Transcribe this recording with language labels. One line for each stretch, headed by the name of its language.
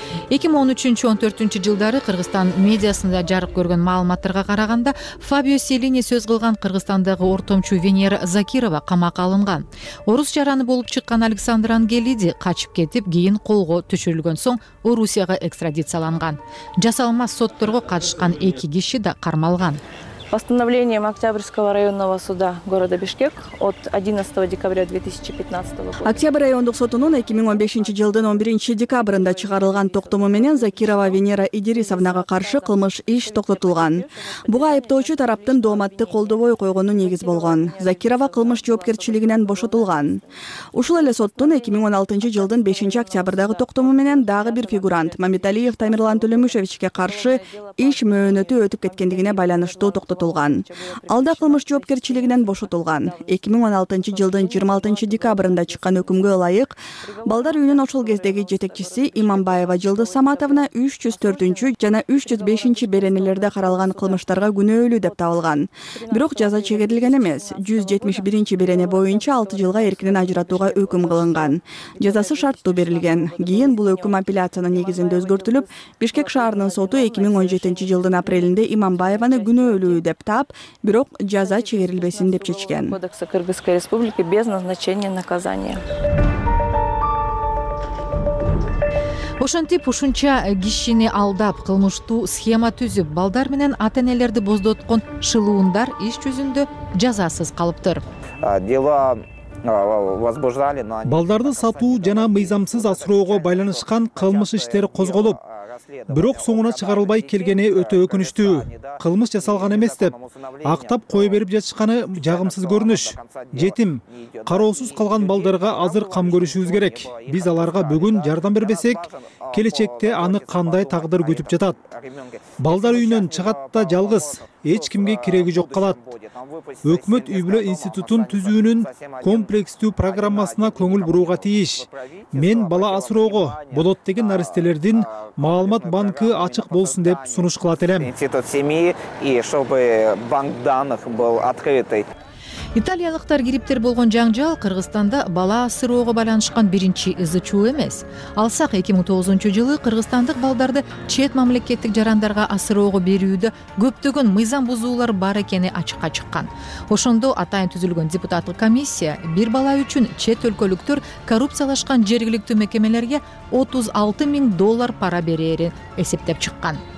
Kyrgyz: 2013-14 жылдары Кыргызстан медиасында жарык көргөн маалыматтарга караганда Фабио Селини сөз кылган Кыргызстандагы ортомчу Венера Закирова камакка алынган. Орус жараны болуп чыккан Александр Ангелиди качып кетип, кийин колго түшүрүлгөн соң Орусияга экстрадицияланган. Жасалма сотторго катышкан 2 киши да кармалган.
Russian: Постановлением Октябрьского районного суда города Бишкек от 11 декабря 2015 года.
Kyrgyz: Октябрь райондук сотунун 2015 жылдын 11 декабрында чыгарылган токтому менен Закирова Венера Идирисовнага каршы кылмыш иш токтотулган. Буга айыптоочу тараптын дооматты колдобой койгону негиз болгон. Закирова кылмыш жоопкерчилигинен бошотулган. Ушул эле соттун 2016 жылдын 5 октябрдагы токтому менен дагы бир фигурант Мамиталиев Тамирлан Төлөмүшевичке каршы иш мөөнөтү өтүп кеткендигине байланыштуу токтотулган. бошотулган. Алда кылмыш жоопкерчилигинен бошотулган. 2016 жылдын 26 декабрында чыккан өкүмгө ылайык, балдар үйүнүн ошол кездеги жетекчиси Иманбаева Жылдыз Саматовна 304-чү жана 305-чү беренелерде каралган кылмыштарга күнөөлүү деп табылган. Бирок жаза чегерилген эмес. 171-чү берене боюнча 6 жылга эркинен ажыратууга өкүм кылынган. Жазасы шарттуу берилген. Кийин бул өкүм апелляциянын негизинде өзгөртүлүп, Бишкек шаарынын соту 2017 жылдын апрелинде Иманбаеваны күнөөлүү деп таап, бирок жаза чегерилбесин деп чечкен.
Russian: Кодексе Кыргызской Республики без назначения наказания.
Kyrgyz: Ошентип ушунча кишини алдап, кылмыштуу схема түзүп, балдар менен ата-энелерди боздоткон шылуундар иш жүзүндө жазасыз калыптыр. Балдарды сатуу жана мыйзамсыз асыроого байланышкан кылмыш иштери козголуп, бирок соңуна чыгарылбай келгени өтө өкүнүчтүү. Кылмыш жасалган эмес деп актап кое берип жатышканы жагымсыз көрүнүш. Жетим, кароосуз калган балдарга азыр кам көрүшүбүз керек. Биз аларга бүгүн жардам бербесек, келечекте аны кандай тагдыр күтүп жатат? Балдар үйүнөн чыгат да жалгыз, эч кимге кереги жок калат. Өкмөт үй бүлө институтун түзүүнүн комплекстүү программасына көңүл бурууга тийиш. Мен бала асыроого болот деген наристелердин маалымат банкы ачык болсун деп сунуш кылат элем.
Russian: Институт семьи и чтобы банк данных был открытый.
Kyrgyz: Италиялыктар кириптер болгон жаңжал Кыргызстанда бала асыроого байланышкан биринчи ызы чуу эмес. Алсак 2009 жылы кыргызстандык балдарды чет мамлекеттик жарандарга асыроого берүүдө көптөгөн мыйзам бузуулар бар экени ачыкка чыккан. Ошондо атайын түзүлгөн депутаттык комиссия бир бала үчүн чет өлкөлүктөр коррупциялашкан жергиликтүү мекемелерге 36 миң доллар пара берерин эсептеп чыккан.